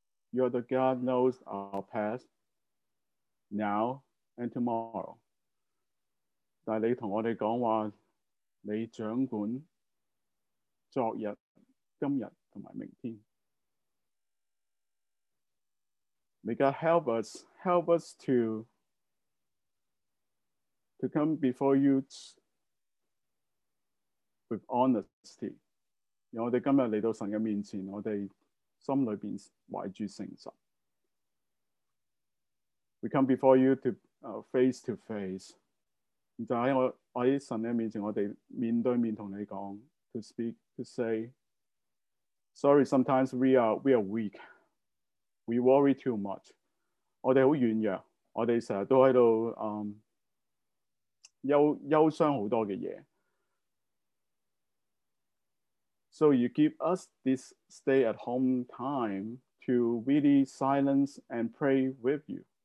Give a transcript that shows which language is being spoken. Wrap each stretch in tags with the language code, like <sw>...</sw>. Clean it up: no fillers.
<en>You're the God knows our past, now and tomorrow.</en> <zh>但你跟我们说话，你掌管昨日、今日和明天。</zh> <en>May God help us to come before you with honesty.</en> <zh>让我们今天来到神的面前，我们心里面怀着诚实。</zh> <en>We come before you to, face to face.</en> <zh>现在在神的面前，我们面对面跟你说，</zh> <en>to speak, to say, sorry, sometimes we are weak. We worry too much.</en> <zh>我们很软弱，我们常常都在忧伤很多的事。</zh> <en>So you give us this stay at home time to really silence and pray with you.</en>